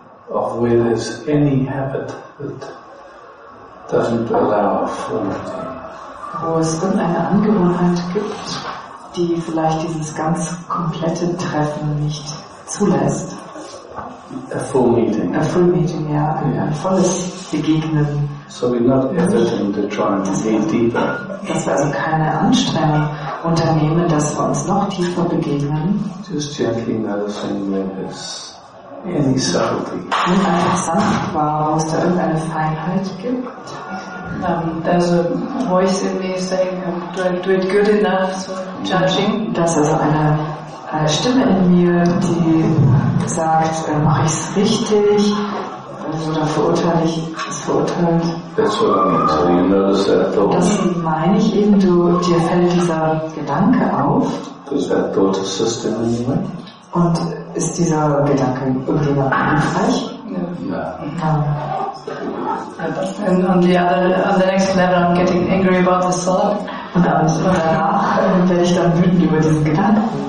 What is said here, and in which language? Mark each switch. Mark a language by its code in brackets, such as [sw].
[en] Of where there's any habit that doesn't allow for anything. [de] Wo es irgendeine Angewohnheit gibt, die vielleicht dieses ganz komplette Treffen nicht zulässt. [en] A full meeting. A full meeting, [de] ja. [en] Yeah. [de] Ein volles Begegnen. [en] So we're not efforting to try and see deeper. [de] Dass wir also keine Anstrengung unternehmen, dass wir uns noch tiefer begegnen. [en] Just gently noticing where there's any subtlety. [de] Nimm einfach sanft wahr, wo es da irgendeine Feinheit gibt. [en] There's a voice in me saying, do it good enough, so judging. [de] Das ist eine Stimme in mir, die sagt, mache ich es richtig, oder verurteile ich es verurteilt. Das meine ich eben, dir fällt dieser Gedanke auf. Und ist dieser Gedanke irgendjemand hilfreich? Ja. [en] Und on the next level, I'm getting angry about the thought. [de] Und danach werde ich dann wütend über diesen Gedanken.